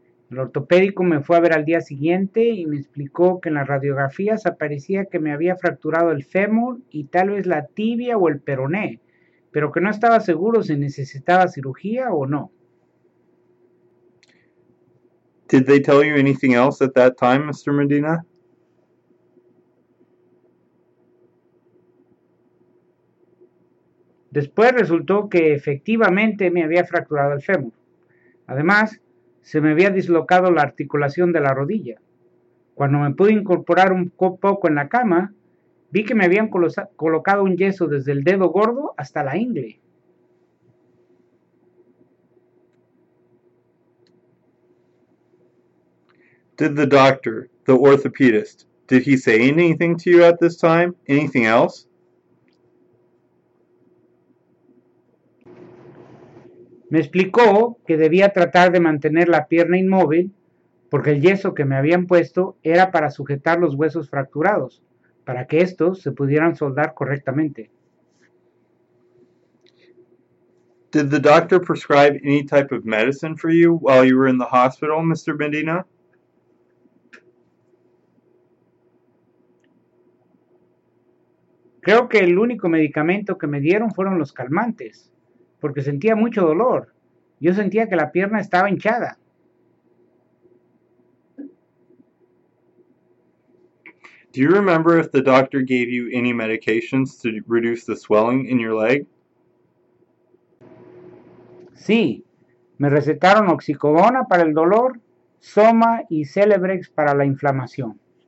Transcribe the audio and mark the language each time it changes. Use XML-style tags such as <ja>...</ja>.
<es>El ortopédico me fue a ver al día siguiente y me explicó que en las radiografías aparecía que me había fracturado el fémur y tal vez la tibia o el peroné, pero que no estaba seguro si necesitaba cirugía o no.</es> <en>Did they tell you anything else at that time, Mr. Medina?</en> <es>Después resultó que efectivamente me había fracturado el fémur. Además, se me había dislocado la articulación de la rodilla. Cuando me pude incorporar un poco en la cama, vi que me habían colocado un yeso desde el dedo gordo hasta la ingle.</es> <en>Did the doctor, the orthopedist, did he say anything to you at this time? Anything else?</en> <es>Me explicó que debía tratar de mantener la pierna inmóvil porque el yeso que me habían puesto era para sujetar los huesos fracturados, para que estos se pudieran soldar correctamente.</es> <en>Did the doctor prescribe any type of medicine for you while you were in the hospital, Mr. Medina?</en> <es>Creo que el único medicamento que me dieron fueron los calmantes, porque sentía mucho dolor. Yo sentía que la pierna estaba hinchada.</es> <en>Do you remember if the doctor gave you any medications to reduce the swelling in your leg?</en> <es>Sí, me recetaron oxicodona para el dolor, Soma y Celebrex para la inflamación.</es>